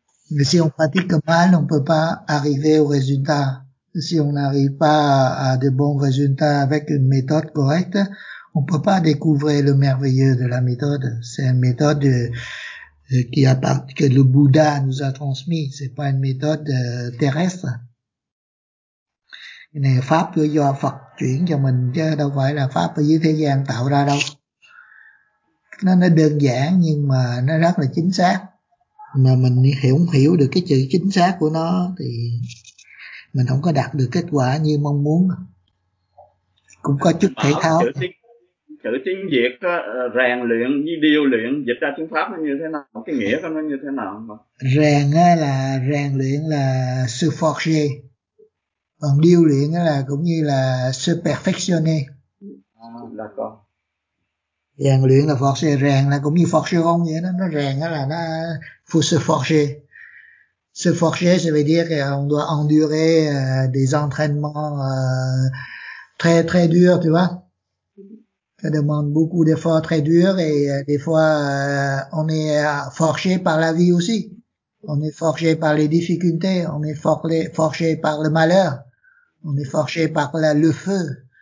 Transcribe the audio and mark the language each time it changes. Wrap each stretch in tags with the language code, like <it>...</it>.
<fr>Mais si on pratique mal, on peut pas arriver au résultat. Si on n'arrive pas à de bons résultats avec une méthode correcte, on peut pas découvrir le merveilleux de la méthode. C'est une méthode que le Bouddha nous a transmis. C'est pas une méthode terrestre.</fr> <vi>Cái này là pháp do Phật chuyển cho mình, chứ đâu phải là pháp ở dưới thế gian tạo ra đâu. Nó đơn giản nhưng mà nó rất là chính xác. Mà mình không hiểu được cái chữ chính xác của nó thì mình không có đạt được kết quả như mong muốn. Cũng có chút thể thao. chữ tiếng Việt đó, rèn luyện như điêu luyện, dịch ra tiếng Pháp nó như thế nào, cái nghĩa của nó như thế nào? Rèn là rèn luyện là</vi> <fr>se forger,</fr> <vi>còn điêu luyện là cũng như là</vi> <fr>se perfectionner.</fr> <vi>Là con rèn luyện là forger, rèn là cũng như forger không vậy đó, nó rèn là nó</vi> <fr>faut se forger. Se forger, ça veut dire qu'on doit endurer des entraînements très très durs, tu vois. Ça demande beaucoup d'efforts très durs et des fois on est forgé par la vie aussi. On est forgé par les difficultés, on est forgé par le malheur, on est forgé par le feu.</fr>